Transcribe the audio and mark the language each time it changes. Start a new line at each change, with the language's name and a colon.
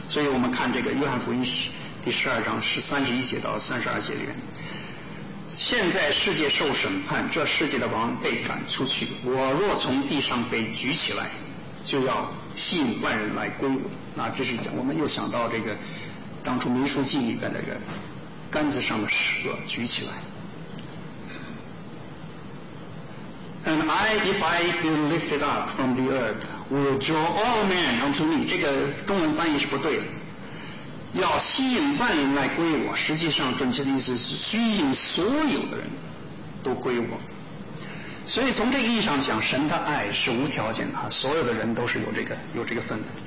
Chinese: 所以我们看这个约翰福音第十二章是三十一节到三十二节里面，现在世界受审判，这世界的王被赶出去，我若从地上被举起来，就要吸引万人来归我。那这是讲我们又想到这个当初民数记里边那个杆子上的蛇举起来。
English: And I, if I be lifted up from the earth, will draw all men unto me.
Chinese: 这个中文翻译是不对的，要吸引万人来归我，实际上准确的意思是吸引所有的人都归我。所以从这个意义上讲，神的爱是无条件的，所有的人都是有这个份的。